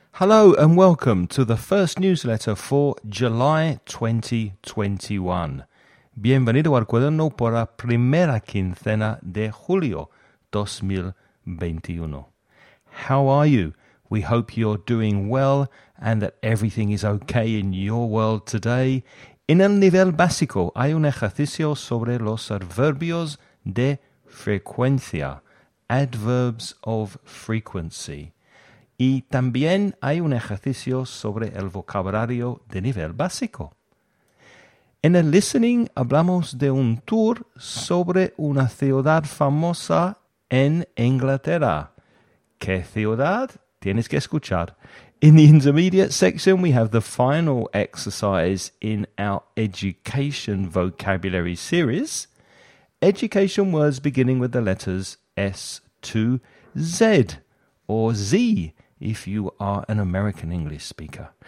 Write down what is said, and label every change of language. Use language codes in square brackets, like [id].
[en] Hello and welcome to the first newsletter for July 2021. [es] Bienvenido al cuaderno por la primera quincena de julio 2021. [en] How are you? We hope you're doing well and that everything is okay in your world today. [es] En el nivel básico hay un ejercicio sobre los adverbios de frecuencia, [en] adverbs of frequency. [es] Y también hay un ejercicio sobre el vocabulario de nivel básico. En el listening hablamos de un tour sobre una ciudad famosa en Inglaterra. ¿Qué ciudad? Tienes que escuchar. [en] In the intermediate section, we have the final exercise in our education vocabulary series. Education words beginning with the letters S to Z, or Z, if you are an American English speaker.